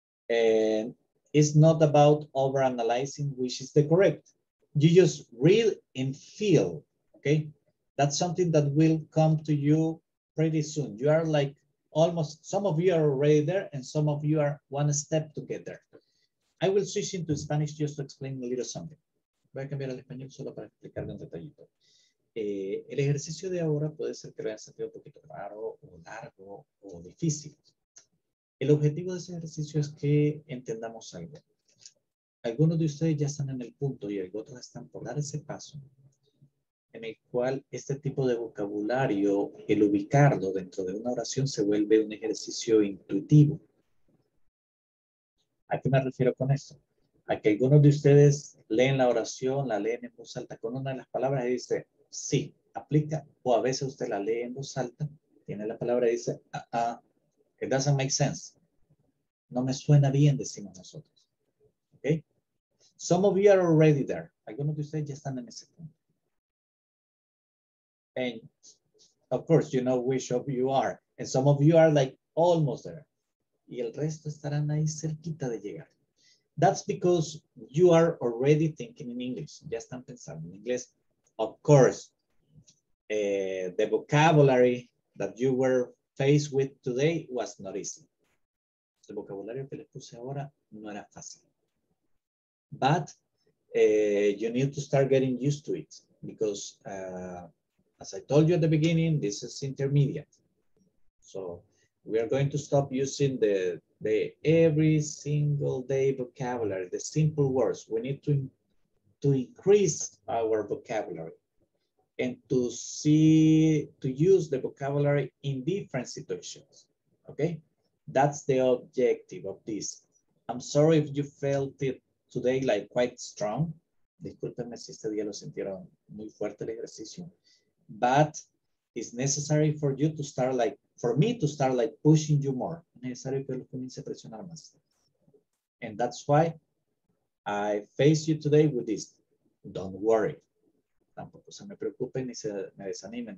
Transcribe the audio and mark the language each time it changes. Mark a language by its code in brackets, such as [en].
[en] And it's not about overanalyzing which is the correct. You just read and feel, okay? That's something that will come to you pretty soon. You are like, almost some of you are already there and some of you are one step to get there. I will switch into Spanish just to explain a little something. [es] Voy a cambiar al español solo para explicarle un detallito. El ejercicio de ahora puede ser que lo hayan sentido un poquito raro o largo o difícil. El objetivo de ese ejercicio es que entendamos algo. Algunos de ustedes ya están en el punto y otros están por dar ese paso en el cual este tipo de vocabulario, el ubicarlo dentro de una oración, se vuelve un ejercicio intuitivo. ¿A qué me refiero con esto? a que algunos de ustedes leen la oración, la leen en voz alta con una de las palabras y dice, sí, aplica. O a veces usted la lee en voz alta, tiene la palabra y dice, [en] it doesn't make sense. [es] No me suena bien, decimos nosotros. [en] Okay? Some of you are already there. [es] Algunos de ustedes ya están en ese punto. [en] And of course, you know which of you are. And some of you are like almost there. [es] Y el resto estarán ahí cerquita de llegar. [en] That's because you are already thinking in English. [es] Ya están pensando en inglés. [en] Of course, the vocabulary that you were faced with today was not easy. [es] El vocabulario que les puse ahora no era fácil. [en] But you need to start getting used to it because as I told you at the beginning, this is intermediate. So we are going to stop using the every single day vocabulary, the simple words. We need to increase our vocabulary and to see, to use the vocabulary in different situations, okay? That's the objective of this. I'm sorry if you felt it today like quite strong. [es] Discúlpenme si este día lo sintieron muy fuerte el ejercicio. [en] But it's necessary for you to start like, for me to start like pushing you more. [es] Necesario que lo comience a presionar más. [en] And that's why I face you today with this. Don't worry. [es] Tampoco se me preocupen ni se me desanimen.